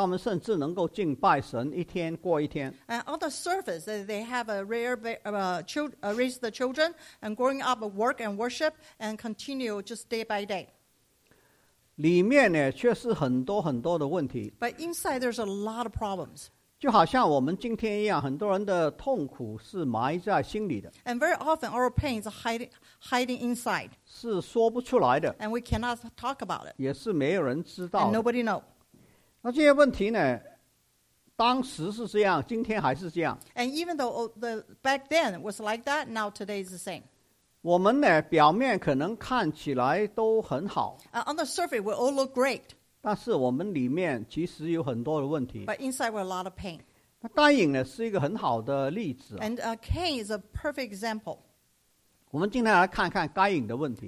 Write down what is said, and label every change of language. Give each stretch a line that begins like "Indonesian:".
Chinese: 表面呢，他们既然是仍然是能够结婚生育，然后这个小孩成长工作，他们甚至能够敬拜神，一天过一天。
English: And on the surface, they have a rare raise the children and growing up, work and worship and continue just day by day.
Chinese: 里面呢，却是很多很多的问题。
English: But inside, there's a lot of problems.
Chinese: 就好像我们今天一样，很多人的痛苦是埋在心里的。
English: And very often, our pain is hiding inside.
Chinese: 是说不出来的。
English: And we cannot talk about it.
Chinese: 也是没有人知道。
English: And nobody know.
Chinese: 那这些问题呢，当时是这样，今天还是这样。
English: And even though back then was like that, now today is the same.
Chinese: 我们呢，表面可能看起来都很好。
English: On the surface, we all look great.
Chinese: 但是我们里面其实有很多的问题。
English: But inside, we're a lot of pain.
Chinese: 该隐呢，是一个很好的例子。
English: And Cain is a perfect example.
Chinese: 我们今天来看看该隐的问题。